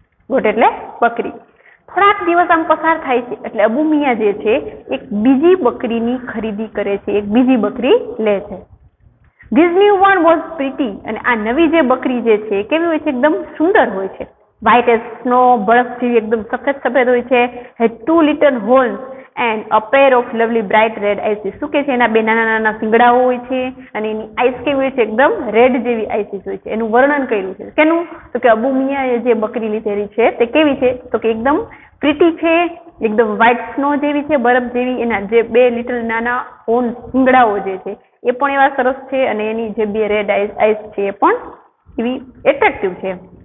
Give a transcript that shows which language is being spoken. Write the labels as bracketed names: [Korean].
[Gujarati] Got એટલે બકરી. થોડાક દિવસ આમ પસાર થાય છે એટલે અબુમિયા જે છે એક બીજી બકરીની ખરીદી કરે છે, એક બીજી બકરી લે છે. [English] This new one was pretty. [Gujarati] અને આ નવી જે બકરી જે છે કેવી હોય છે, એકદમ સુંદર હોય છે. [English] White as snow, [Gujarati] બરફ જેવી એકદમ સફેદ સફેદ હોય છે. [English] Had two little horns and a pair of lovely bright red eyes. [Gujarati] શું કે છે, એના બે નાના નાના સિંગડાઓ હોય છે અને એની આઈસ કેવી હોય છે, એકદમ રેડ જેવી આઈસીસ હોય છે. એનું વર્ણન કર્યું છે. કેનું? તો કે અબુ મિયાએ જે બકરી લીધેલી છે તે કેવી છે, તો કે એકદમ પ્રીટી છે, એકદમ વ્હાઇટ સ્નો જેવી છે, બરફ જેવી. એના જે બે લિટલ નાના હોર્ન સિંગડાઓ જે છે એ પણ એવા સરસ છે અને એની જે બે રેડ આઈસ છે એ પણ એવી એટ્રેક્ટિવ છે.